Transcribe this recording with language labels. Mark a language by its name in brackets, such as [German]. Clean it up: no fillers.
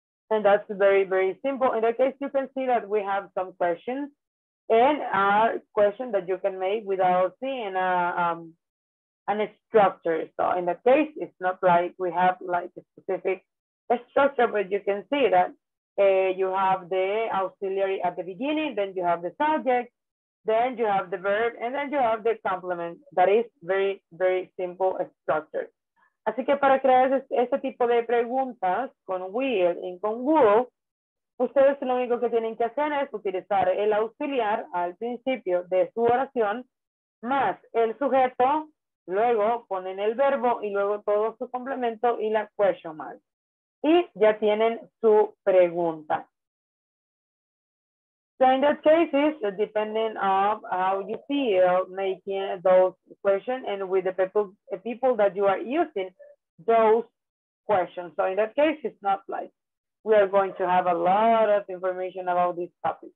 [English] And that's very, very simple. In that case, you can see that we have some questions and are questions that you can make without seeing a structure. So in that case, it's not like we have like a specific structure, but you can see that you have the auxiliary at the beginning, then you have the subject, then you have the verb, and then you have the complement. That is very, very simple structure. [Spanish] Así que para crear este tipo de preguntas con will y con will, ustedes lo único que tienen que hacer es utilizar el auxiliar al principio de su oración, más el sujeto, luego ponen el verbo y luego todo su complemento y la question mark. Y ya tienen su pregunta. [English] So in that case, depending on how you feel making those questions and with the people that you are using those questions. So in that case, it's not like we are going to have a lot of information about this topic.